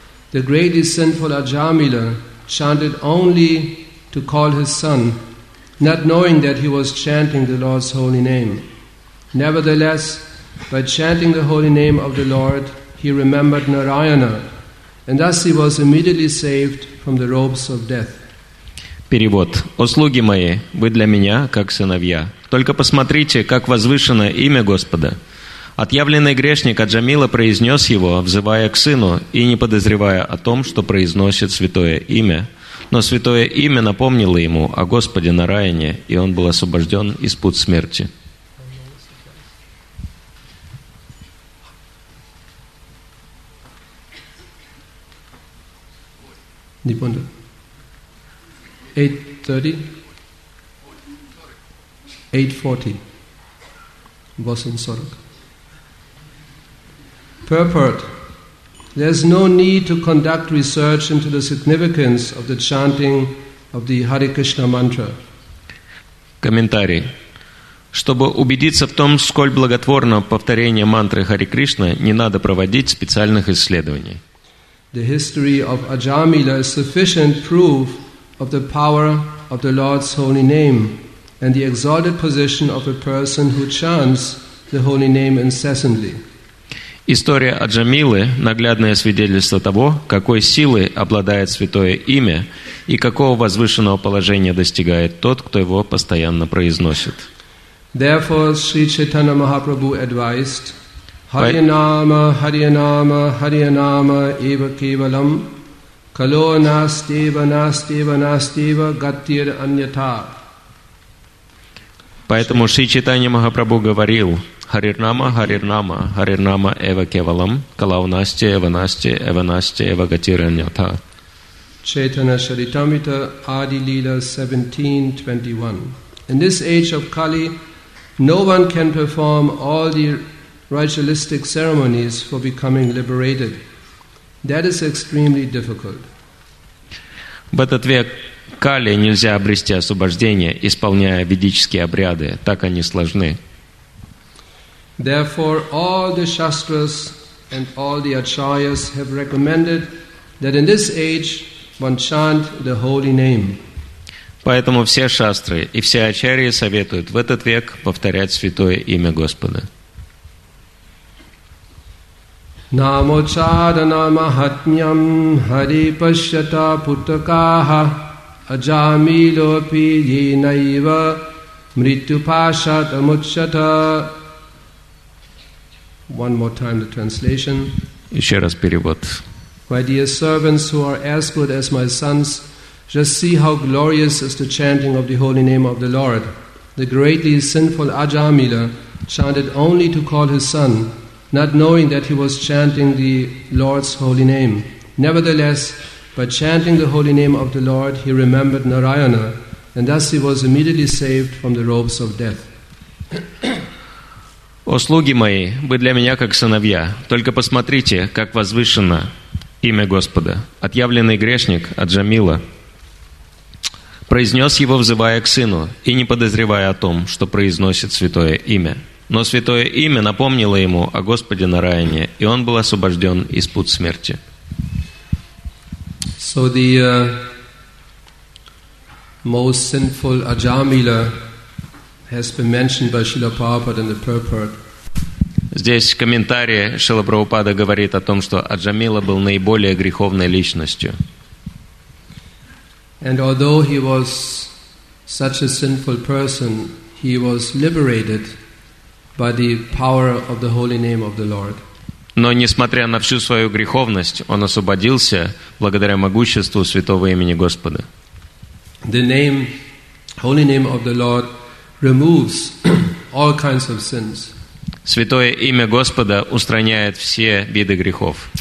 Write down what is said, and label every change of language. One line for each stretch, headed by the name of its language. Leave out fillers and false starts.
English: The greatly sinful Ajamila chanted only to call his son, not knowing that he was chanting the Lord's holy name. Nevertheless, by chanting the holy name of the Lord, he remembered Narayana, and thus he was immediately saved from the robes of death.
Russian: Перевод. «О слуги мои, вы для меня, как сыновья. Только посмотрите, как возвышено имя Господа». Отъявленный грешник Аджамила произнес его, взывая к сыну и не подозревая о том, что произносит святое имя. Но святое имя напомнило ему о Господе Нараяне, и он был освобожден из пут смерти. Не понял. 8:30. 8:40. 8:40.
English: Purport. There's no need to conduct research into the significance of the chanting of the Hare Krishna mantra.
Russian: Комментарий. Чтобы убедиться в том, сколь благотворно повторение мантры Хари Кришна, не надо проводить специальных исследований.
English: The history of Ajamila is sufficient proof of the power of the Lord's holy name and the exalted position of a person who chants the holy name incessantly.
Russian: История Аджамилы – наглядное свидетельство того, какой силой обладает святое имя и какого возвышенного положения достигает тот, кто его постоянно произносит.
English: Therefore, Sri Chaitanya Mahaprabhu advised,
Sanskrit: Hariyanama, Hariyanama, Hariyanama, Eva Kevalam, Kalo Nasteva, Nasteva, Nasteva, Gatir Anyata.
Russian: Поэтому Шри Чайтанья Махапрабху говорил
Sanskrit: «Харирнама, Харирнама, Харирнама, Эва Кевалам, Калаунасти, Эва Насти, Эва Насти, Эва Гатираньята».
Russian: Чайтанья Шаритамита, Ади Лила, 17:21.
English: In this age of Kali, no one can perform all the ritualistic ceremonies for becoming liberated. That is extremely difficult.
Russian: В этот век Кали нельзя обрести освобождение, исполняя ведические обряды. Так они сложны.
English: Therefore, all the Shastras and all the Acharyas have recommended that in this age one chant the holy name.
Russian: Поэтому все Шастры и все Ачарьи советуют в этот век повторять святое имя Господа.
Sanskrit: Namochadana mahatmyam hari pashyata putakaha ajamilopi yenaiva mrityupashata muchyata.
English: One more time the translation.
Russian: Еще раз перевод.
English: My dear servants who are as good as my sons, just see how glorious is the chanting of the holy name of the Lord. The greatly sinful Ajamila chanted only to call his son, not knowing that he was chanting the Lord's holy name. Nevertheless, by chanting the holy name of the Lord, he remembered Narayana, and thus he was immediately saved from the robes of death.
Russian: О, слуги мои, вы для меня как сыновья. Только посмотрите, как возвышено имя Господа. Отъявленный грешник Аджамила произнес его, взывая к сыну, и не подозревая о том, что произносит святое имя. Но святое имя напомнило ему о Господе Нараяне, и он был освобожден из пут смерти.
English: So the most sinful Ajamila has been mentioned by Srila Prabhupada in the purport.
Russian: Здесь комментарий Шрилы Прабхупады говорит о том, что Аджамила был наиболее греховной личностью.
English: And although he was such a sinful person, he was liberated by the power of the holy name of the Lord.
Russian: Но несмотря на всю свою греховность, он освободился благодаря могуществу святого имени Господа.
English: The name, holy name of the Lord, removes all kinds of sins.
Russian: Святое имя Господа устраняет все виды грехов.